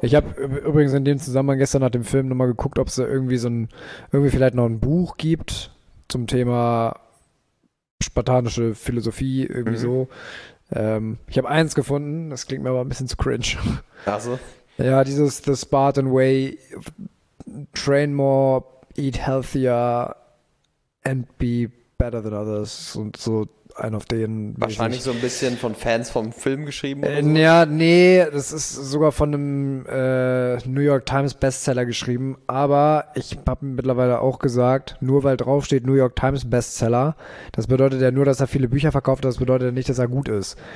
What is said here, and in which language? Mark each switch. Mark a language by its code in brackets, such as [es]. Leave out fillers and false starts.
[de] Ich habe übrigens in dem Zusammenhang gestern nach dem Film nochmal geguckt, ob es da irgendwie vielleicht noch ein Buch gibt zum Thema spartanische Philosophie, irgendwie so. Ich habe eins gefunden, das klingt mir aber ein bisschen zu cringe. Also. Ja, dieses [en] The Spartan Way. Train more, eat healthier and be better than others. [de] Und so ein auf den Wahrscheinlich mäßig. so ein bisschen von Fans vom Film geschrieben oder Ja, sowas. nee, das ist sogar von einem New York Times Bestseller geschrieben. Aber ich habe mittlerweile auch gesagt, nur weil draufsteht New York Times Bestseller, das bedeutet ja nur, dass er viele Bücher verkauft, das bedeutet ja nicht, dass er gut ist.